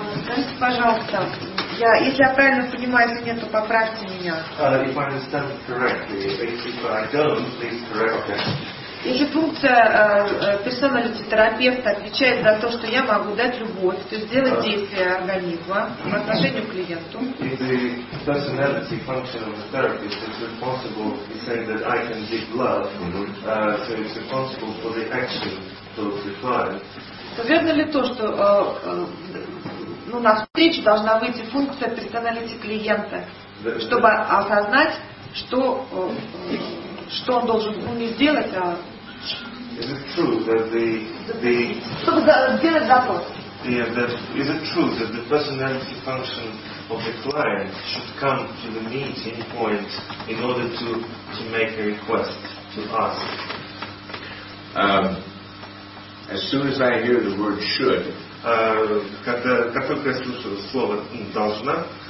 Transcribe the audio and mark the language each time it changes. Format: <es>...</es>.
<ru>Скажите, пожалуйста, я, если я правильно понимаю, если нет, то поправьте меня.</ru> <en>If I understand correctly, basically, if I don't, please correct me. Okay.</en> <ru>Если функция персоналити терапевта отвечает за то, что я могу дать любовь, то есть сделать действие организма по отношению к клиенту.</ru> <en>If the personality function of the therapist is responsible, he's saying that I can give love, so it's responsible for the action to reply.</en> <ru>То верно ли то, что ну, на встречу должна выйти функция персоналити клиента, чтобы осознать, что, что он должен не сделать, а чтобы сделать запрос.</ru> <en>Yeah, that, is it true that the personality function of the client should come to the meeting point in order to make a request, to ask? As soon as I hear the word should,</en> <ru>Как только я слышу слово должна,</ru>